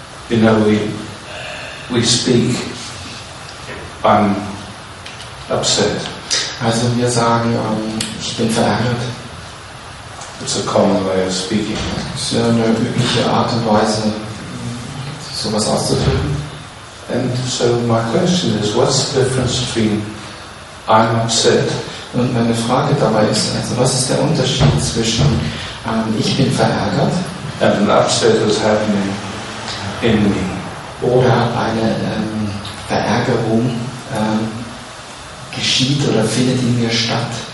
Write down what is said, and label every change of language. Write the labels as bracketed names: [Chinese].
[English] You know, we speak, I'm upset. [German] Also wir sagen, ich bin verärgert. [English] It's a common way of speaking. [German] Es ist eine übliche Art und Weise, sowas auszudrücken. [English] And so my question is, what's the difference between I'm upset? [German] Und meine Frage dabei ist, also was ist der Unterschied zwischen ich bin verärgert [English] and an upset is happening in me. [German] Oder eine Verärgerung geschieht oder findet in mir statt?